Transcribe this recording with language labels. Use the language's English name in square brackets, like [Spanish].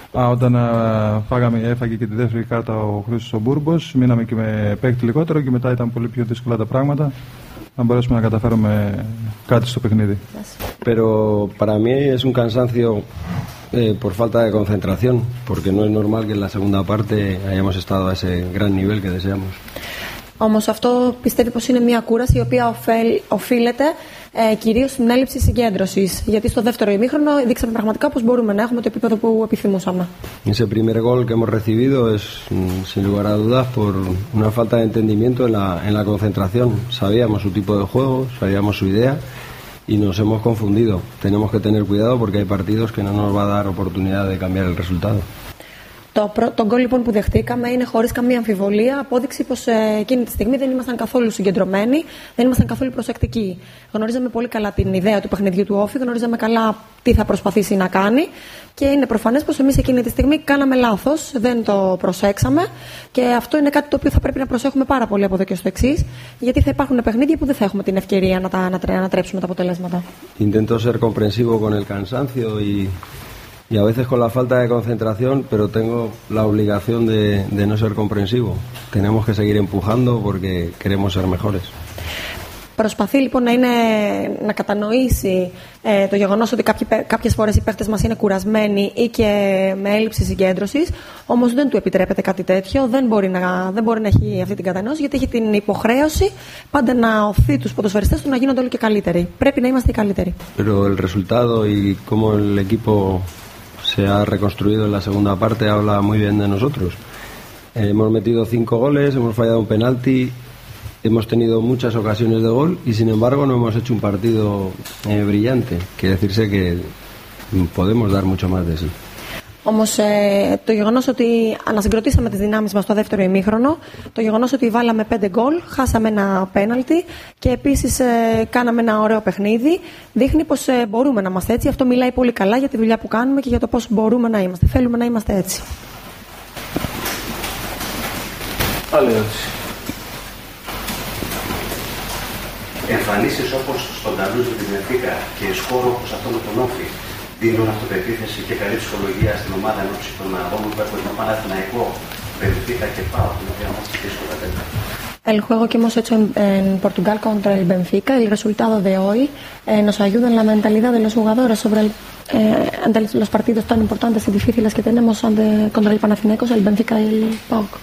[Greek] Όταν έφαγε και τη δεύτερη κάρτα ο Χρήστος ο Μπούρμπος, μείναμε και με παίκτη λιγότερο και μετά ήταν πολύ πιο δύσκολα τα πράγματα. Να μπορέσουμε να καταφέρουμε κάτι στο παιχνίδι. [Spanish] Pero para mí es un cansancio por falta de concentración, porque no es normal que en la segunda parte hayamos estado a ese gran nivel que deseamos. [Greek] Όμως αυτό πιστεύει πως είναι μια κούραση η οποία οφείλεται κυρίως στην έλλειψη συγκέντρωσης. Γιατί στο δεύτερο ημίχρονο δείξαμε πραγματικά πως μπορούμε να έχουμε το επίπεδο που επιθυμούσαμε. [Spanish] Ese primer gol que hemos recibido es sin lugar a dudas por una falta de entendimiento en la concentración. Sabíamos su tipo de juego, sabíamos su idea y nos hemos confundido. Tenemos que tener cuidado porque hay partidos que no nos va a dar oportunidad de cambiar el resultado. [Greek] Το γκολ λοιπόν που δεχτήκαμε είναι χωρίς καμία αμφιβολία απόδειξη πως εκείνη τη στιγμή δεν ήμασταν καθόλου συγκεντρωμένοι, δεν ήμασταν καθόλου προσεκτικοί. Γνωρίζαμε πολύ καλά την ιδέα του παιχνιδιού του Όφη, γνωρίζαμε καλά τι θα προσπαθήσει να κάνει και είναι προφανές πως εμείς εκείνη τη στιγμή κάναμε λάθος, δεν το προσέξαμε και αυτό είναι κάτι το οποίο θα πρέπει να προσέχουμε πάρα πολύ από εδώ και στο εξής, γιατί θα υπάρχουν παιχνίδια που δεν θα έχουμε την ευκαιρία να τα ανατρέψουμε τα αποτελέσματα. [Spanish] Intento ser comprensivo con el cansancio y a veces con la falta de concentración, pero tengo la obligación de no ser comprensivo. Tenemos que seguir empujando porque queremos ser mejores. [Greek] Προσπαθεί λοιπόν να κατανοήσει το γεγονός ότι κάποιες φορές οι παίχτες μας είναι κουρασμένοι ή και με έλλειψη συγκέντρωσης, όμως δεν του επιτρέπεται κάτι τέτοιο, δεν μπορεί να έχει αυτή την κατανόηση, γιατί έχει την υποχρέωση πάντα να οθεί τους ποδοσφαιριστές του να γίνονται όλο και καλύτεροι. Πρέπει να είμαστε οι καλύτεροι. [Spanish] Pero el resultado y cómo el equipo se ha reconstruido en la segunda parte habla muy bien de nosotros. Hemos metido 5 goles, hemos fallado un penalti. Hemos tenido muchas ocasiones de gol y sin embargo no hemos hecho un partido brillante. Quiere decirse que podemos dar mucho más de sí. [Greek] Όμως το γεγονός ότι ανασυγκροτήσαμε τις δυνάμεις μας στο δεύτερο ημίχρονο, το γεγονός ότι βάλαμε 5 γκολ, χάσαμε ένα πέναλτι και επίσης κάναμε ένα ωραίο παιχνίδι, δείχνει πως μπορούμε να είμαστε έτσι. Αυτό μιλάει πολύ καλά για τη δουλειά που κάνουμε και για το πώς μπορούμε να είμαστε. Θέλουμε να είμαστε έτσι. Άλλη ερώτηση. Εμφανίσεις όπως στον Ταλούς με την Ευθύκα και σκόρ όπως αυτό με τον Όφη δίνουν αυτοπεποίθηση και καλή ψυχολογία στην ομάδα ενώψη των αγώνων που έχουν Παναθηναϊκό, Μπενφίκα και ΠΑΟ, την οποία είμαστε δύσκολα τέτοια. Έλχω εγώ και μόσο [Spanish] en Portugal contra el Benfica. El resultado de hoy nos ayuda en la mentalidad de los jugadores sobre los partidos tan importantes y difíciles que tenemos contra el Panathinaikos, el Benfica y el PAOK.